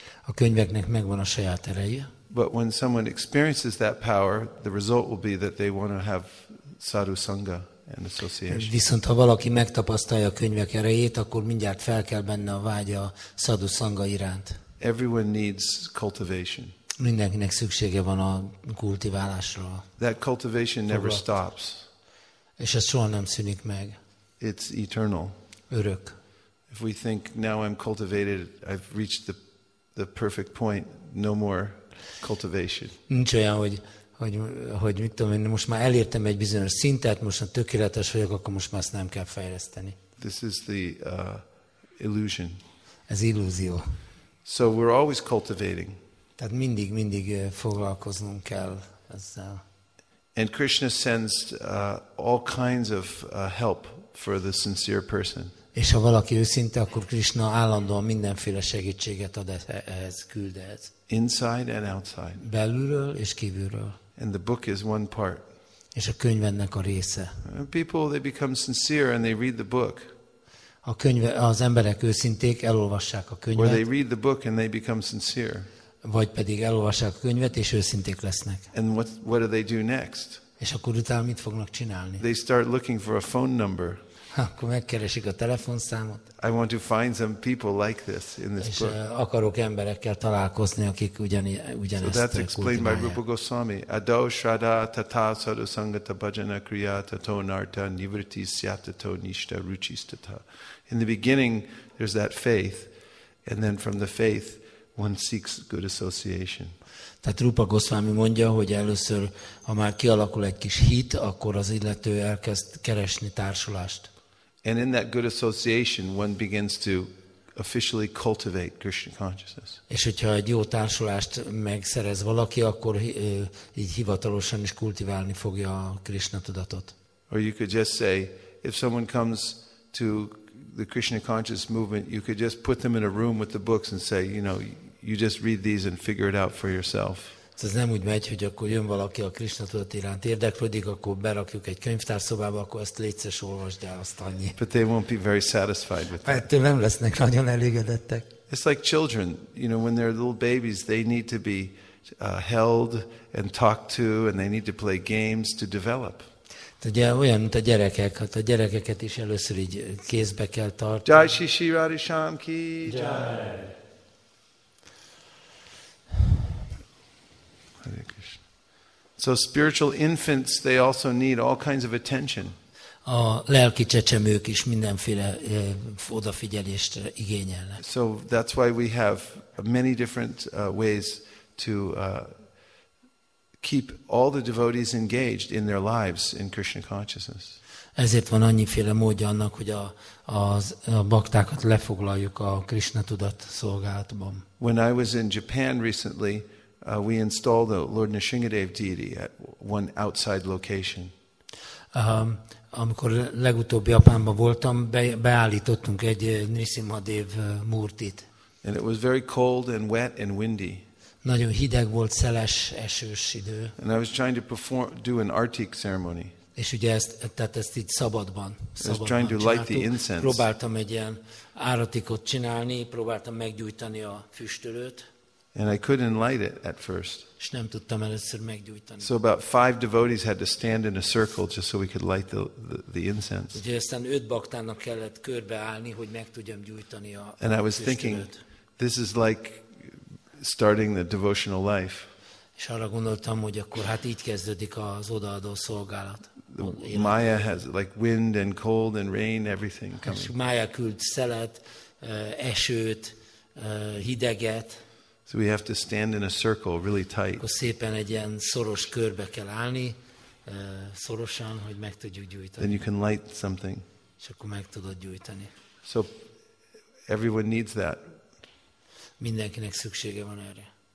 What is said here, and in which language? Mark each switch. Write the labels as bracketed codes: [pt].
[hu] A könyveknek megvan a saját ereje. [en] But when someone experiences that power, the result will be that they want to have sadhu sangha and association. [hu] Viszont ha valaki megtapasztalja a könyvek erejét, akkor mindjárt fel kell benne a vágya a sadhu sangha iránt. [en] Everyone needs cultivation. [hu] Mindenkinek szüksége van a kultiválásra. [en] That cultivation never stops. [hu] És ez soha nem szűnik meg. [en] It's eternal. [hu] Örök. [en] If we think now I'm cultivated, I've reached the perfect point, no more cultivation. [hu] Nincs olyan, hogy mit tudom én, most már elértem egy bizonyos szintet, most már tökéletes vagyok, akkor most már ezt nem kell fejleszteni. [en] This is the illusion. [hu] Ez illúzió. [en] So we're always cultivating. [hu] Tehát mindig foglalkoznunk kell ezzel. [en] And Krishna sends all kinds of help for the sincere person. [hu] És ha valaki őszinte, akkor Krishna állandóan mindenféle segítséget ad ehhez, küld ehhez. [en] Inside and outside. [hu] Belülről és kívülről. [en] And the book is one part. [hu] És a könyv ennek a része. [en] People, they become sincere and they read the book. [hu] A könyve, az emberek őszinték, elolvassák a könyvet. [en] Or they read the book and they become sincere. [hu] Vagy pedig elolvassák a könyvet és őszinték lesznek. [en] And what do they do next? [hu] És akkor utána mit fognak csinálni? [en] They start looking for a phone number. [hu] Akkor megkeresik a telefonszámot. [en] I want to find some people like this in this book. [hu] És akarok emberekkel találkozni, akik ugyanezt kultiválják. [en] So that's explained by Rupa Goswami. [sa] Adau shraddha tatha sadhu sangata bhajana kriya tato narta nivritti syatato nishta ruchistata. [en] In the beginning, there's that faith, and then from the faith, one seeks good association. [hu] Tehát Rupa Goswami mondja, hogy először, ha már kialakul egy kis hit, akkor az illető elkezd keresni társulást. [en] And in that good association, one begins to officially cultivate Krishna consciousness. [hu] És hogyha egy jó társulást megszerez valaki, akkor így hivatalosan is kultiválni fogja a Krishna tudatot. [en] Or you could just say, if someone comes to the Krishna conscious movement, you could just put them in a room with the books and say, you know, you just read these and figure it out for yourself. [hu] Ez nem úgy megy, hogy akkor jön valaki a Krishna tudat iránt érdeklődik, akkor berakjuk egy könyvtárszobába, akkor ezt létszes olvasd el, azt annyi. [en] But they won't be very satisfied with that. [hu] Hát nem lesznek nagyon elégedettek. [en] It's like children, you know, when they're little babies, they need to be held and talked to, and they need to play games to develop. [hu] Ugye, olyan, mint a gyerekek, hát a gyerekeket is először így kézbe kell tartani. [hi] Jai Shri Shri Radhe Shyam Ki Jai. [sa] Hare Krishna. [en] So spiritual infants, they also need all kinds of attention. [hu] A lelki csecsemők is mindenféle odafigyelést igényelnek. [en] So that's why we have many different ways to keep all the devotees engaged in their lives in Krishna consciousness. [hu] Ezért van annyiféle módja annak, hogy a baktákat lefoglaljuk a Krishna tudat szolgálatban. [en] When I was in Japan recently, we installed the Lord Nrisimhadev deity at one outside location. [hu] Amikor legutóbb Japánban voltam, beállítottunk egy Nrisimhadev murtit. [en] And it was very cold and wet and windy. [hu] Nagyon hideg volt, szeles, esős idő. [en] And I was trying to perform, do an artik ceremony. [hu] És ugye ezt, tehát ezt így szabadban [en] I was trying to light the incense. [hu] Próbáltam egy ilyen áratikot csinálni, próbáltam meggyújtani a füstölőt. [en] And I couldn't light it at first. [hu] És nem tudtam először meggyújtani. [en] So about five devotees had to stand in a circle just so we could light the incense. [hu] Ugye aztán öt baktának kellett körbeállni, hogy meg tudjam gyújtani a füstölőt. [en] And I was thinking, this is like starting the devotional life. [hu] És arra gondoltam, hogy akkor hát így kezdődik az odaadó szolgálat. [en] Maya has like wind and cold and rain, everything coming. [hu] Maya küld szelet, esőt, hideget. [en] So we have to stand in a circle really tight. [hu] Akkor szépen egy ilyen szoros körbe kell állni, szorosan, hogy meg tudjuk gyújtani. [en] Then you can light something. [hu] És akkor meg tudod gyújtani. [en] So everyone needs that. [hu] Mindenkinek szüksége van erre.